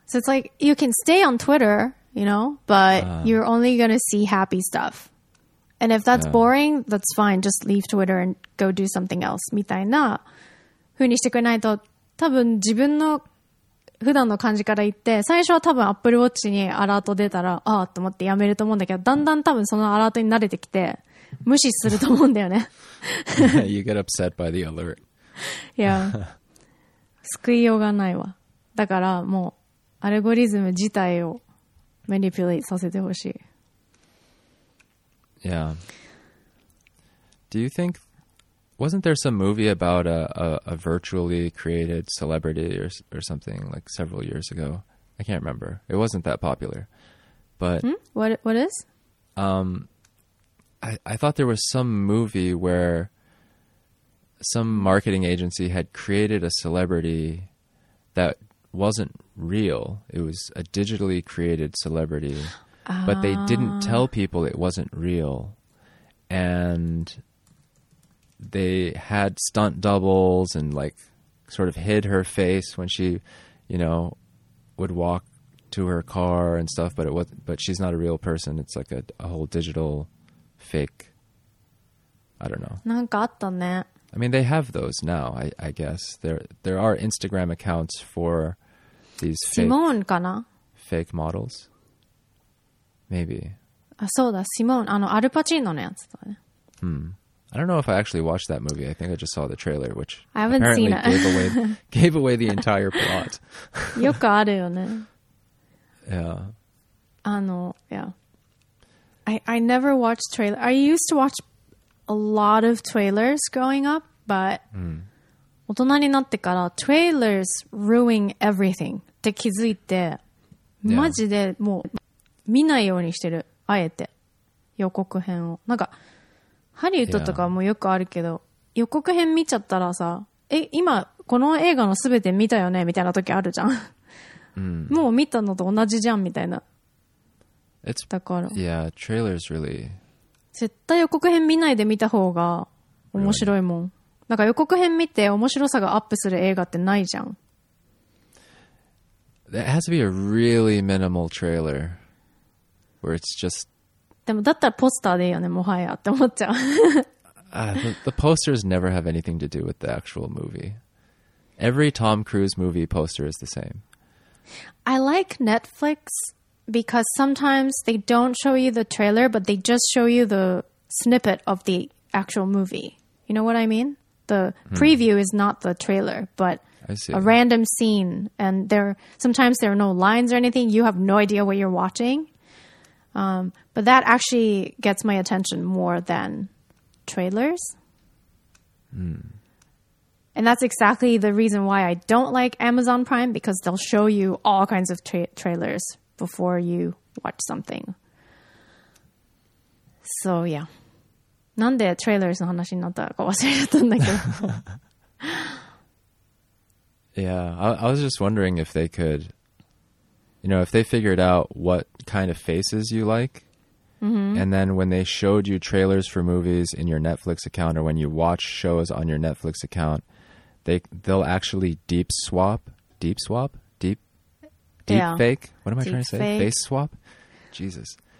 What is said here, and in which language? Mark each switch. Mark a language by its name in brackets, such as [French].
[English] So it's like you can stay on Twitter, you know, but you're only gonna see happy stuff. And if that's boring, that's fine. Just leave Twitter and go do something else. [Japanese] みたいな風にしてくれないと、多分自分の普段の感じから言って、最初は多分 Apple Watch にアラート出たら、ああと思ってやめると思うんだけど、だんだん多分そのアラートに慣れてきて、無視すると思うんだよね。 [English] You get upset by the alert. [Japanese] Yeah. 救いようがないわ。だからもう、アルゴリズム自体をマニピュレートさせてほしい。 [English] Yeah. Do you think, wasn't there some movie about a virtually created celebrity or something like several years ago? I can't remember. It wasn't that popular. But What is? I thought there was some movie where some marketing agency had created a celebrity that wasn't real. It was a digitally created celebrity. But they didn't tell people it wasn't real. And they had stunt doubles and like sort of hid her face when she, you know, would walk to her car and stuff. But it was, but she's not a real person. It's like a whole digital fake. I don't know. [Japanese] なんかあったね。 [English] I mean, they have those now, I guess. There are Instagram accounts for these fake models. Maybe. [Japanese] あ、そうだ、シモン、あの、アルパチーノのやつだね。 Hmm. [English] I don't know if I actually watched that movie. I think I just saw the trailer, which I haven't seen it. gave away the entire plot. [Japanese] よくあるよね。 [English] Yeah. あの、yeah. I never watched trailer. I used to watch a lot of trailers growing up, but [Japanese] 大人になってから [English] trailers ruin everything [Japanese] って気づいて、マジでもう、 [English] yeah. [Japanese] 見ないようにしてる。あえて。予告編を。なんか、ハリウッドとかもよくあるけど、予告編見ちゃったらさ、え、今、この映画のすべて見たよねみたいな時あるじゃん。もう見たのと同じじゃんみたいな。だから。 [English] Yeah, trailer's really... [Japanese] 絶対予告編見ないで見た方が面白いもん。 [English] Really? [Japanese] なんか予告編見て面白さがアップする映画ってないじゃん。 [English] That has to be a really minimal trailer. Where it's just... [Japanese] でもだったらポスターでいいよね、もはやって思っちゃう。 [English] The posters never have anything to do with the actual movie. Every Tom Cruise movie poster is the same. I like Netflix because sometimes they don't show you the trailer, but they just show you the snippet of the actual movie. You know what I mean? The preview is not the trailer, but a random scene. And sometimes there are no lines or anything. You have no idea what you're watching. But that actually gets my attention more than trailers. And that's exactly the reason why I don't like Amazon Prime, because they'll show you all kinds of trailers before you watch something. So, yeah. [Japanese] なんでトレーラーの話になったか忘れちゃったんだけど。 [English] Yeah, I was just wondering if they could... You know, if they figured out what kind of faces you like, and then when they showed you trailers for movies in your Netflix account, or when you watch shows on your Netflix account, they'll actually deep fake? What am I trying to say? Face swap? Jesus.